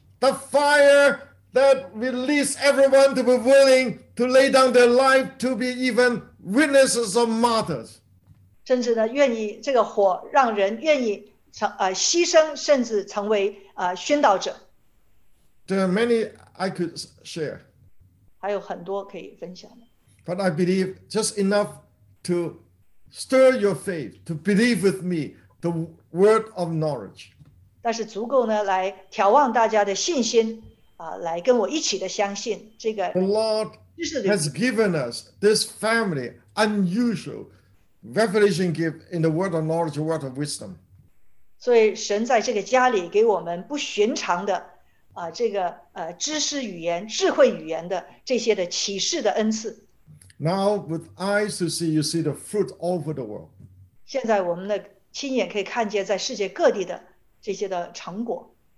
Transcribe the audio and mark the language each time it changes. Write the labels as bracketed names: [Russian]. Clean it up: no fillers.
[English] The fire that released everyone to be willing to lay down their life to be even witnesses or martyrs. [Chinese] 甚至呢，愿意这个火让人愿意牺牲，甚至成为宣道者。 [English] There are many I could share. [Chinese] 还有很多可以分享的。 [English] But I believe just enough to stir your faith, to believe with me the word of knowledge. [Chinese] 但是足够呢，来眺望大家的信心。来跟我一起的相信这个, [English] the Lord has given us this family, unusual revelation gift in the word of knowledge, the word of wisdom. [Chinese] 所以神在这个家里给我们不寻常的, 这个知识语言、智慧语言的这些的启示的恩赐。 [English] Now with eyes to see, you see the fruit all over the world. [Chinese] 现在我们的亲眼可以看见在世界各地的这些的成果。